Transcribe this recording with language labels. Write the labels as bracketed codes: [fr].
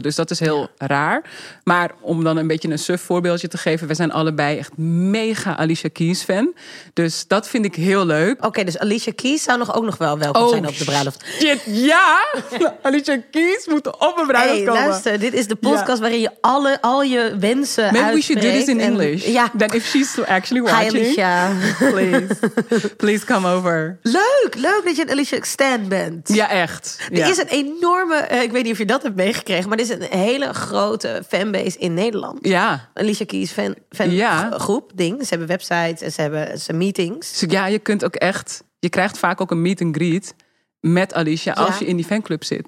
[nl] Dus dat is heel raar. Maar om dan een beetje een suf voorbeeldje te geven, we zijn allebei echt mega Alicia Keys fan. Dus dat vind ik heel leuk. Oké, dus Alicia Keys zou ook nog wel welkom zijn op de bruiloft. Shit, ja! Alicia Keys moet op een bruiloft komen. Luister, dit is de podcast waarin je al je wensen [en] Maybe [nl] uitspreekt. [en] Maybe we should do this in English. [nl] Ja. [en] Then if she's actually watching. Hi Alicia. Please come over. [nl] Leuk dat je een Alicia stan bent. Ja, echt. Er is een enorme, ik weet niet of je dat hebt meegekregen, maar er is een hele grote fanbase in Nederland. Ja. Alicia Keys fangroep, ding. Ze hebben websites en ze hebben meetings. Dus ja, je kunt ook echt, je krijgt vaak ook een meet and greet met Alicia als je in die fanclub zit.